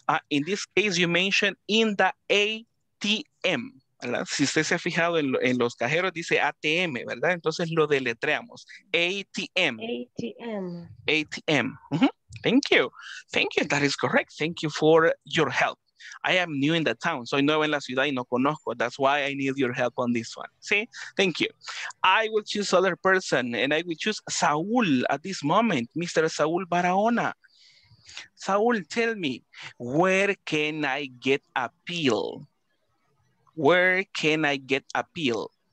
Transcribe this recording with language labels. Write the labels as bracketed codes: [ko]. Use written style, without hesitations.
[en] In this case, you mentioned in the ATM. [es] ¿Verdad? Si usted se ha fijado en los cajeros, dice ATM, ¿verdad? Entonces lo deletreamos. ATM. ATM. [en] ATM. Mm-hmm. Thank you. Thank you. That is correct. Thank you for your help. I am new in the town. [es] Soy nuevo en la ciudad y no conozco. [en] That's why I need your help on this one. See? Thank you. I will choose other person, and I will choose Saul at this moment. Mr. Saul Barahona. Saul, tell me, where can I get a pill? Where can I get a pill?